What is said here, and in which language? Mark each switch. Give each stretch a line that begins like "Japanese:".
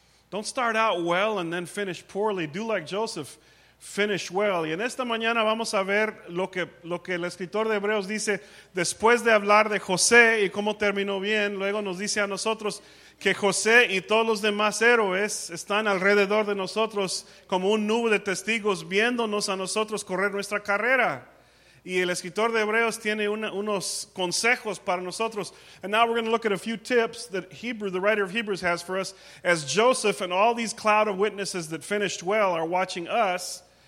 English: Don't start out well and then finish poorly. Do like Joseph, finish well.
Spanish: Y en esta mañana vamos a ver lo que el escritor de Hebreos dice después de hablar de José y cómo terminó bien. Luego nos dice a nosotros que José y todos los demás héroes están alrededor de nosotros como un nube de testigos viéndonos a nosotros correr nuestra carrera. Y el escritor de Hebreos tiene unos consejos para nosotros.
English: And now we're going to look at a few tips that the writer of Hebrews has for us as Joseph and all these cloud of witnesses that finished well are watching us.